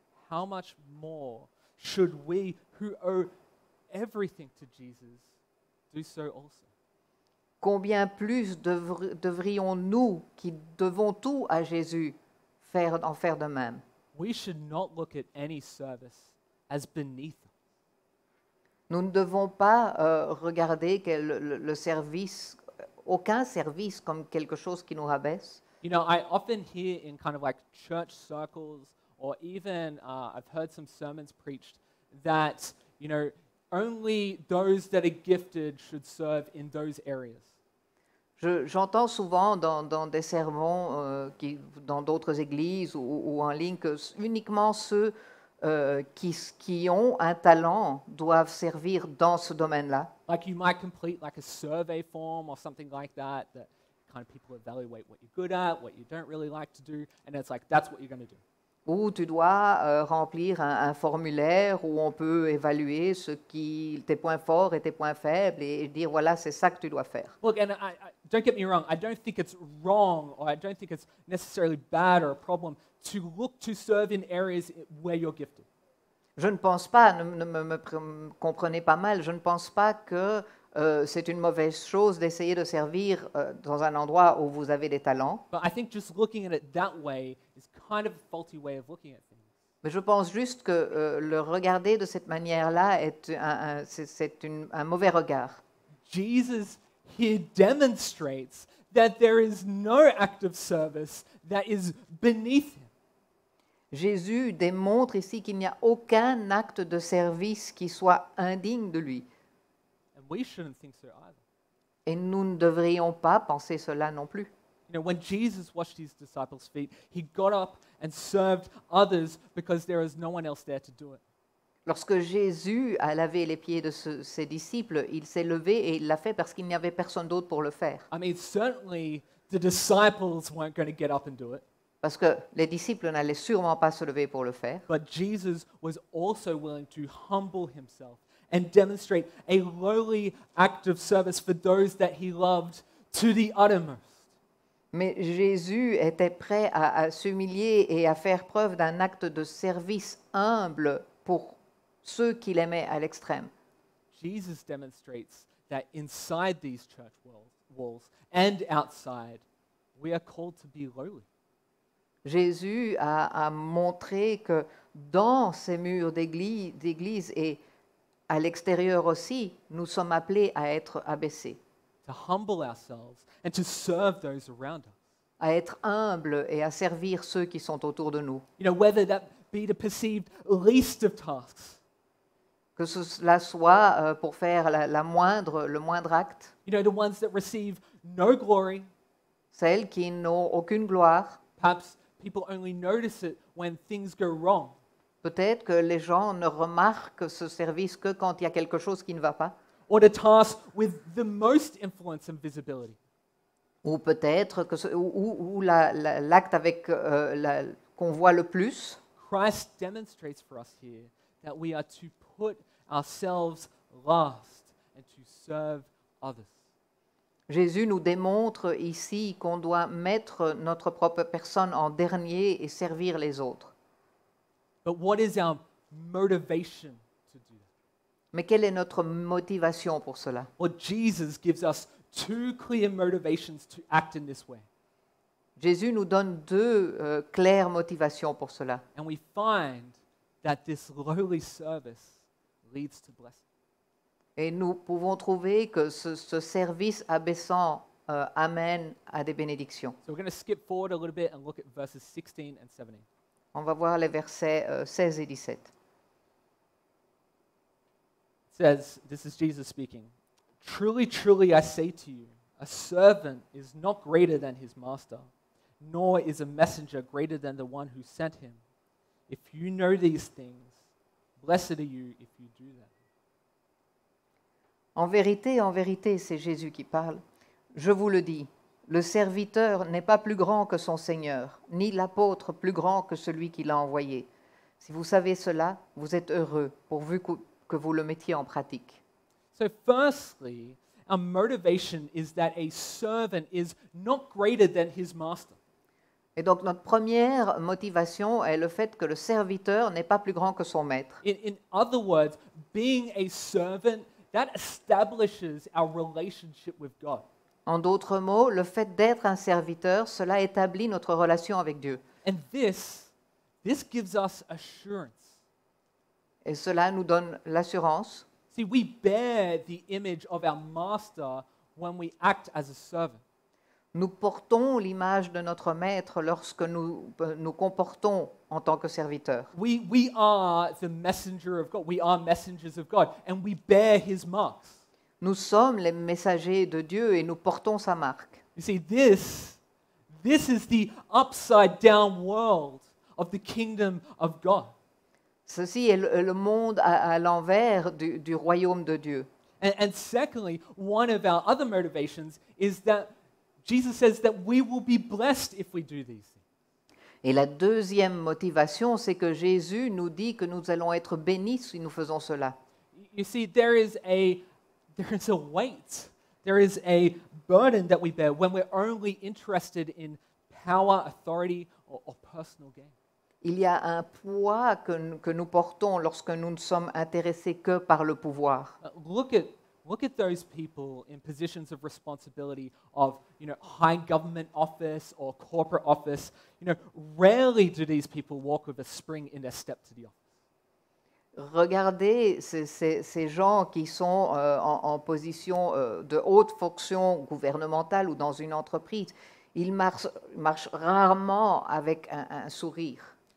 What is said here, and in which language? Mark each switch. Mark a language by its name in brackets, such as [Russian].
[English] How much more should we who owe everything to Jesus do so also? [French] Combien plus devrions-nous qui devons tout à Jésus faire de même? [English] We should not look at any service as beneath. [French] Nous ne devons pas regarder le service, aucun service, comme quelque chose qui nous rabaisse. [English] You know, I often hear in kind of like church circles, or even I've heard some sermons preached that, you know, only those that are gifted should serve in those areas. [French] J'entends souvent dans des sermons qui dans d'autres églises ou en ligne que uniquement ceux qui ont un talent doivent servir dans ce domaine-là. [English] Like you might complete like a survey form or something like that, that kind of people evaluate what you're good at, what you don't really like to do, and it's like, that's what you're going to do. [French] où tu dois remplir un formulaire où on peut évaluer ce qui tes points forts et tes points faibles et dire voilà c'est ça que tu dois faire. [English] Look, and I don't get me wrong, I don't think it's wrong or I don't think it's necessarily bad or a problem to look to serve in areas where you're gifted. [French] Je ne pense pas, comprenez pas mal, je ne pense pas que c'est une mauvaise chose d'essayer de servir dans un endroit où vous avez des talents. [English] But I think just looking at it that way is kind of a faulty way of looking at things. [French] Mais je pense juste que le regarder de cette manière-là est un mauvais regard. [English] Jesus here demonstrates that there is no act of service that is beneath him. [French] Jésus démontre ici qu'il n'y a aucun acte de service qui soit indigne de lui. [English] And we shouldn't think so either. [French] Et nous ne devrions pas penser cela non plus. [English] You know, when Jesus washed his disciples' feet, he got up and served others because there was no one else there to do it. [French] Lorsque Jésus a lavé les pieds de ses disciples, il s'est levé et il l'a fait parce qu'il n'y avait personne d'autre pour le faire. [English] I mean, certainly the disciples weren't going to get up and do it. [French] Parce que les disciples n'allaient sûrement pas se lever pour le faire. [English] But Jesus was also willing to humble himself and demonstrate a lowly act of service for those that he loved to the uttermost. [French] Mais Jésus était prêt à s'humilier et à faire preuve d'un acte de service humble pour ceux qu'il aimait à l'extrême. [English] Jesus demonstrates that inside these church walls and outside, we are called to be lowly. [French] Jésus a montré que dans ces murs d'église et à l'extérieur aussi, nous sommes appelés à être abaissés. [English] To humble ourselves and to serve those around us. [French] À être humbles et à servir ceux qui sont autour de nous. [English] You know, whether that be the perceived least of tasks. [French] Que cela soit pour faire le moindre acte. [English] You know, the ones that receive no glory. [French] Celles qui n'ont aucune gloire. [English] Perhaps people only notice it when things go wrong. [French] Peut-être que les gens ne remarquent ce service que quand il y a quelque chose qui ne va pas. [English] Or the task with the most influence and visibility. [French] Ou peut-être que l'acte avec qu'on voit le plus. [English] Christ demonstrates for us here that we are to put ourselves last and to serve others. [French] Jésus nous démontre ici qu'on doit mettre notre propre personne en dernier et servir les autres. [English] But what is our motivation to do that? [French] Mais quelle est notre motivation pour cela? [English] Well, Jesus gives us two clear motivations to act in this way. [French] Jésus nous donne deux claires motivations pour cela. [English] And we find that this lowly service leads to blessing. [French] Et nous pouvons trouver que ce service abaissant amène à des bénédictions. [English] So we're going to skip forward a little bit and look at verses 16 and 17. [French] On va voir les versets 16 et 17. [English] It says, this is Jesus speaking. Truly, truly, I say to you, a servant is not greater than his master, nor is a messenger greater than the one who sent him. If you know these things, blessed are you if you do them. [French] En vérité, c'est Jésus qui parle. Je vous le dis, le serviteur n'est pas plus grand que son Seigneur, ni l'apôtre plus grand que celui qui l'a envoyé. Si vous savez cela, vous êtes heureux, pourvu que vous le mettiez en pratique. [English] So firstly, our motivation is that a servant is not greater than his master. [French] Et donc notre première motivation est le fait que le serviteur n'est pas plus grand que son maître. [English] In other words, being a servant, that establishes our relationship with God. [French] En d'autres mots, le fait d'être un serviteur, cela établit notre relation avec Dieu. [English] And this gives us assurance. [French] Et cela nous donne l'assurance. [English] See, we bear the image of our master when we act as a servant. [French] Nous portons l'image de notre maître lorsque nous comportons en tant que serviteur. [English] We are the messenger of God. We are messengers of God, and we bear His marks. [French] Nous sommes les messagers de Dieu et nous portons sa marque. [English] You see, this is the upside down world of the kingdom of God. [French] Ceci est le monde à l'envers du royaume de Dieu. [English] And secondly, one of our other motivations is that Jesus says that we will be blessed if we do these things. [French] Et la deuxième motivation, c'est que Jésus nous dit que nous allons être bénis si nous faisons cela. [English] You see, there is a weight, there is a burden that we bear when we're only interested in power, authority, or personal gain. [French] Il y a un poids que nous portons lorsque nous ne sommes intéressés que par le pouvoir. [English] Look at those people in positions of responsibility of, you know, high government office or corporate office. You know, rarely do these people walk with a spring in their step to the office. [French] Regardez ces gens qui sont en position de haute fonction gouvernementale ou dans une entreprise. Ils marchent rarement avec un sourire.